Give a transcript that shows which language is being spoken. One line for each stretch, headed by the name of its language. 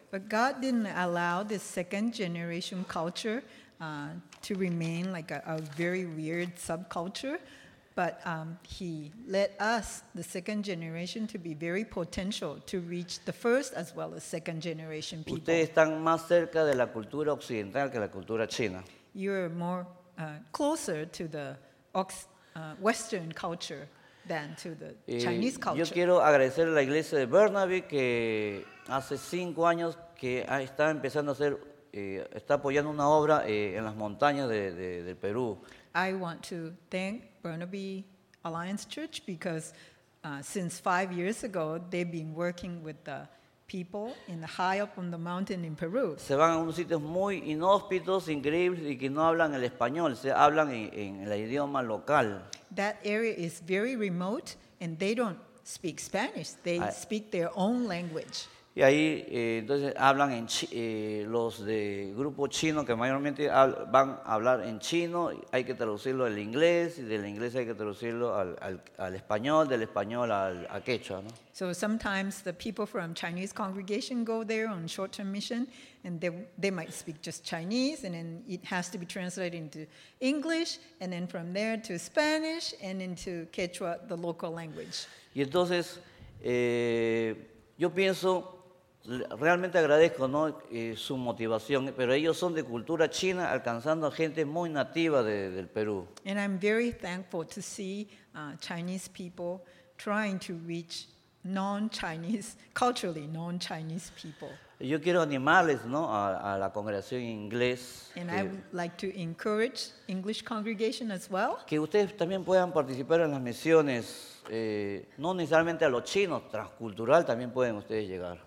English: But God didn't allow this second generation culture to remain like a very weird subculture, but he let us, the second generation, to be very potential to reach the first as well as second generation people.
Spanish: Ustedes están más cerca de la cultura occidental que la cultura china.
English: You are more closer to the Western culture than to the Chinese culture.
Spanish: Yo quiero agradecer a la iglesia de Burnaby que hace 5 años que está empezando a hacer, está apoyando una obra en las montañas de Perú.
English: I want to thank Burnaby Alliance Church because since 5 years ago they've been working with the people in the high up on the mountain in Peru.
Spanish: Se van a unos sitios muy inhóspitos, increíbles y que no hablan el español, se hablan en el idioma local.
English: That area is very remote and they don't speak Spanish. They speak their own language.
Spanish: Y ahí entonces hablan en los de grupo chino que mayormente van a hablar en chino, hay que traducirlo al inglés y del inglés hay que traducirlo al español, del español al quechua, ¿no?
English: So sometimes the people from Chinese congregation go there on short-term mission and they might speak just Chinese and then it has to be translated into English and then from there to Spanish and into Quechua, the local language.
Spanish: Y entonces yo pienso, realmente agradezco, ¿no?, su motivación, pero ellos son de cultura china alcanzando a gente muy nativa del Perú.
English: And I'm very thankful to see Chinese people trying to reach non-Chinese, culturally non-Chinese people.
Spanish: Yo quiero animarles, ¿no?, a la congregación inglesa.
English: And I would like to encourage English congregation as well.
Spanish: Que ustedes también puedan participar en las misiones. No necesariamente a los chinos, transcultural también pueden ustedes llegar.